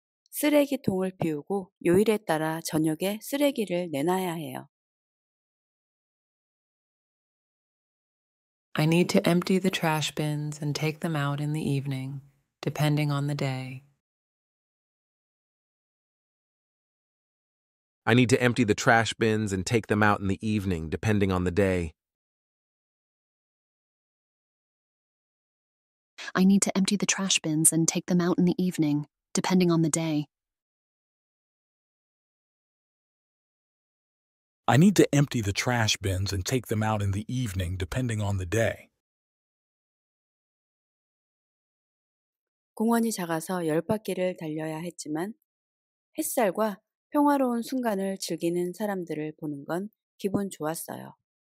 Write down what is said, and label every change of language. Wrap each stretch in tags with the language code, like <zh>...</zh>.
<ko>쓰레기통을 비우고 요일에 따라 저녁에 쓰레기를 내놔야 해요.</ko> <en>I need to empty the trash bins and take them out in the evening, depending on the day. I need to empty the trash bins and take them out in the evening, depending on the day. I need to empty the trash bins and take them out in the evening, depending on the day. I need to empty the trash bins and take them out in the evening, depending on the day.</en> <ko>공원이 작아서 열 바퀴를 달려야 했지만 햇살과 평화로운 순간을 즐기는 사람들을 보는 건 기분 좋았어요.</ko>